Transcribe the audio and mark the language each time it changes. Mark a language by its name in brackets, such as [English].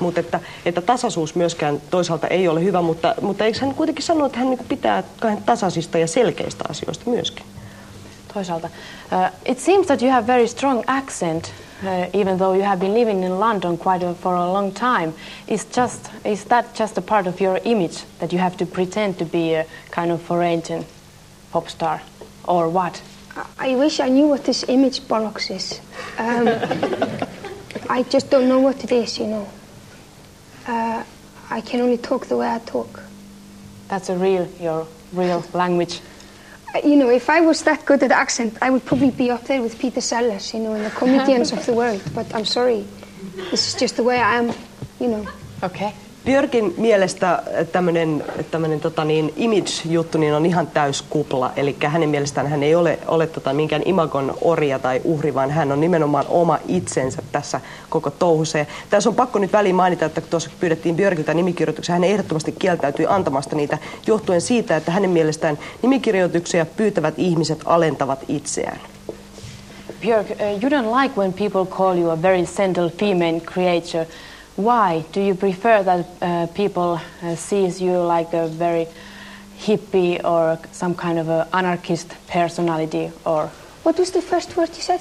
[Finnish] Mutta että tasaisuus myöskään toisaalta ei ole hyvä, mutta eikö hän kuitenkin sano, että hän niinku pitää kahden tasaisista ja selkeistä asioista myöskin? Toisaalta. [English] It seems that you have very strong accent. Even though you have been living in London quite for a long time, is that just a part of your image that you have to pretend to be a kind of foreign pop star, or what? I wish I knew what this image bollocks is. I just don't know what it is, you know. I can only talk the way I talk. That's a real your real language. You know, if I was that good at accent, I would probably be up there with Peter Sellers, you know, and the comedians of the world. But I'm sorry, this is just the way I am, you know. Okay. [Finnish] Björkin mielestä tämmönen tota niin image-juttu niin on ihan täys kupla. Eli hänen mielestään hän ei ole tota minkään imagon orja tai uhri, vaan hän on nimenomaan oma itsensä tässä koko touhussa. Ja tässä on pakko nyt väliin mainita, että tuossa pyydettiin Björkiltä nimikirjoituksia, hän ehdottomasti kieltäytyi antamasta niitä johtuen siitä, että hänen mielestään nimikirjoituksia pyytävät ihmiset alentavat itseään. [English] Björk, you don't like when people call you a very gentle female creature. Why do you prefer that people sees you like a very hippie or some kind of a anarchist personality? Or what was the first word you said?